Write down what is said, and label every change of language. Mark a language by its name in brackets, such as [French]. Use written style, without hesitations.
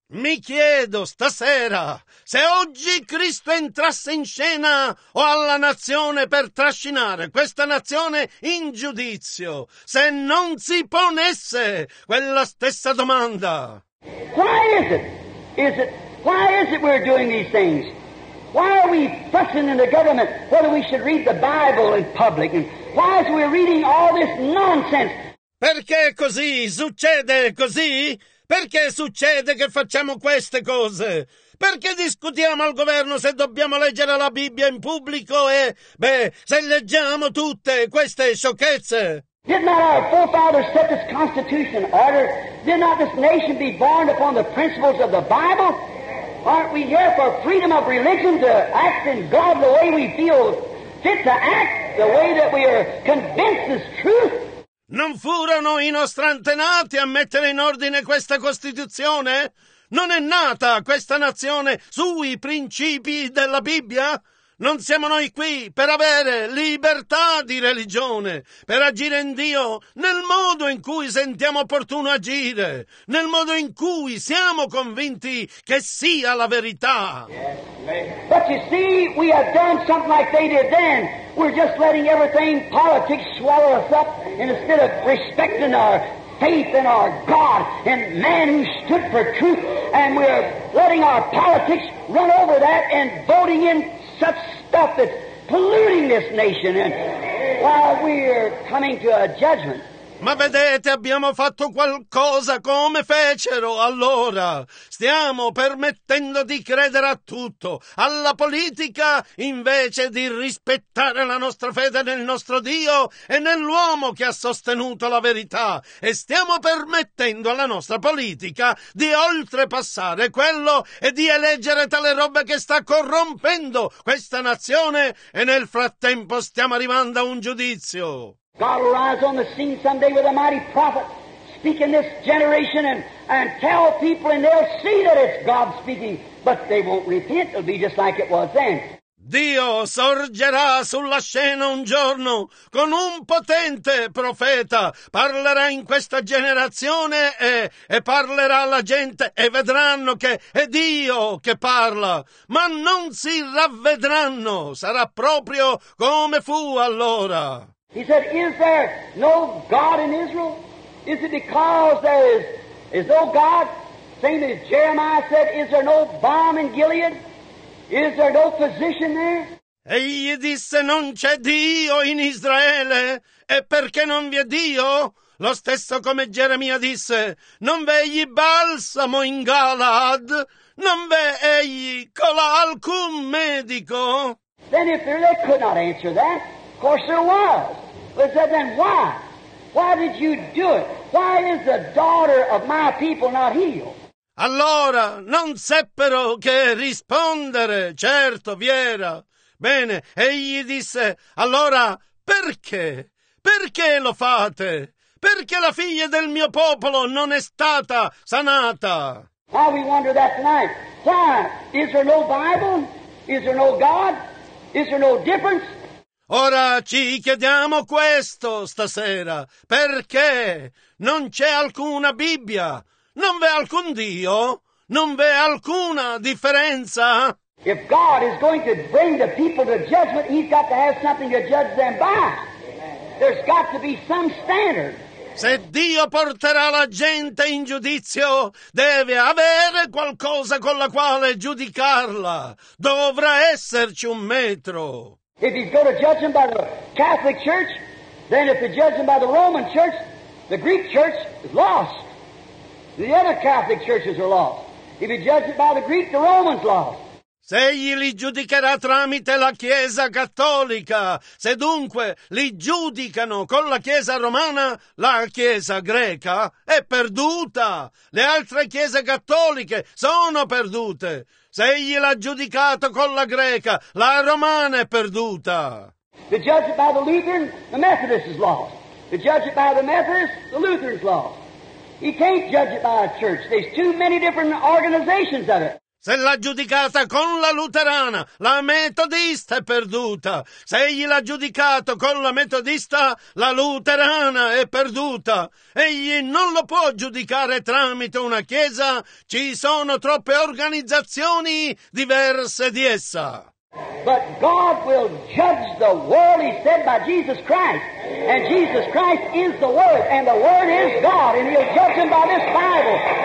[Italian] Mi chiedo stasera, se oggi Cristo entrasse in scena o alla nazione per trascinare questa nazione in giudizio, se non si ponesse quella stessa domanda. [English] Why is it? Is it? Why is it we're doing these things? Why are we fussing in the government whether we should read the Bible in public? And why is we reading all this nonsense? [Italian] Perché così? Succede così? Perché succede che facciamo queste cose? Perché discutiamo al governo se dobbiamo leggere la Bibbia in pubblico e, beh, se leggiamo tutte queste sciocchezze? [English] Did not our forefathers set this Constitution in order? Did not this nation be born upon the principles of the Bible? Aren't we here for freedom of religion to act in God the way we feel fit to act, the way that we are convinced is truth? [Italian] Non furono i nostri antenati a mettere in ordine questa Costituzione? Non è nata questa nazione sui principi della Bibbia? Non siamo noi qui per avere libertà di religione, per agire in Dio nel modo in cui sentiamo opportuno agire, nel modo in cui siamo convinti che sia la verità. [English] But you see, we have done something like they did then. We're just letting everything politics swallow us up instead of respecting our faith in our God and man who stood for truth, and we're letting our politics run over that and voting in such stuff that's polluting this nation, and while we're coming to a judgment. [Italian] Ma vedete, abbiamo fatto qualcosa come fecero allora. Stiamo permettendo di credere a tutto, alla politica, invece di rispettare la nostra fede nel nostro Dio e nell'uomo che ha sostenuto la verità. E stiamo permettendo alla nostra politica di oltrepassare quello e di eleggere tale roba che sta corrompendo questa nazione, e nel frattempo stiamo arrivando a un giudizio. [English] God will rise on the scene someday with a mighty prophet speaking this generation and tell people, and they'll see that it's God speaking, but they won't repent. It'll be just like it was then. [Italian] Dio sorgerà sulla scena un giorno con un potente profeta, parlerà in questa generazione e parlerà alla gente e vedranno che è Dio che parla, ma non si ravvedranno, sarà proprio come fu allora. [English] He said, is there no God in Israel? Is it because there is no God? Same as Jeremiah said, is there no balm in Gilead? Is there no physician there? [Italian] Egli disse, non c'è Dio in Israele. E perché non vi è Dio? Lo stesso come Geremia disse, non v'è egli balsamo in Galaad? Non v'è egli colà alcun medico? [English] Then if they could not answer that, of course there was. But said, then why? Why did you do it? Why is the daughter of my people not healed? [Italian] Allora, non seppero che rispondere. Certo, vi era. Bene, egli disse, allora, perché? Perché lo fate? Perché la figlia del mio popolo non è stata sanata? [English] Why we wonder that tonight? Why? Is there no Bible? Is there no God? Is there no difference? [Italian] Ora ci chiediamo questo stasera, perché non c'è alcuna Bibbia, non v'è alcun Dio, non v'è alcuna differenza? [English] If God is going to bring the people to judgment, he's got to have something to judge them by. There's got to be some standard. [Italian] Se Dio porterà la gente in giudizio, deve avere qualcosa con la quale giudicarla. Dovrà esserci un metro. [English] If he's going to judge them by the Catholic Church, then if they judge them by the Roman Church, the Greek Church is lost. The other Catholic Churches are lost. If he judges it by the Greek, the Roman's lost. [Italian] Se egli li giudicherà tramite la Chiesa Cattolica, se dunque li giudicano con la Chiesa Romana, la Chiesa Greca è perduta. Le altre Chiese Cattoliche sono perdute. Se egli l'ha giudicato con la Greca, la Romana è perduta. [English] To judge it by the Lutheran, the Methodist is lost. To judge it by the Methodist, the Lutheran is lost. He can't judge it by a church. There's too many different organizations of it. [Italian] Se l'ha giudicata con la luterana, la metodista è perduta. Se egli l'ha giudicato con la metodista, la luterana è perduta. Egli non lo può giudicare tramite una chiesa. Ci sono troppe organizzazioni diverse di essa. [English] But God will judge the world, he said, by Jesus Christ. And Jesus Christ is the Word, and the Word is God, and he'll judge him by this Bible.